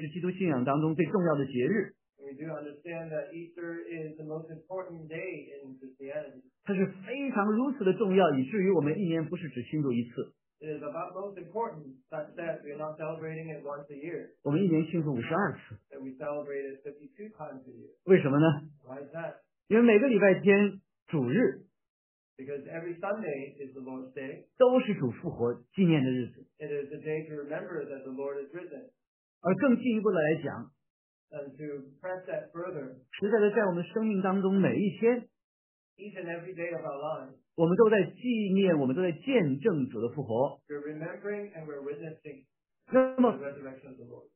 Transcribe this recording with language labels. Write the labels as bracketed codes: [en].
[zh] 空的坟墓才是复活的标志，复活节的标志。那么我们也晓得复活节是基督信仰当中最重要的节日。 [en] We do understand that Easter is the most important day in Christianity. [zh] 它是非常如此的重要，以至于我们一年不是只庆祝一次。 [en] It is about most important that, we are not celebrating it once a year. [zh] 我们一年庆祝52次。 [en] That we celebrate it 52 times a year. [zh] 为什么呢？ [en] Why is that? [zh] 因为每个礼拜天主日， [en] Because every Sunday is the Lord's day. [zh] 都是主复活纪念的日子。 [en] It is the day to remember that the Lord is risen. [zh] 而更进一步来讲， [en] And to press that further, [zh] 实在的在我们生命当中每一天， [en] Each and every day of our lives, [zh] 我们都在纪念，我们都在见证主的复活。 [en] We're remembering and we're witnessing the resurrection of the Lord.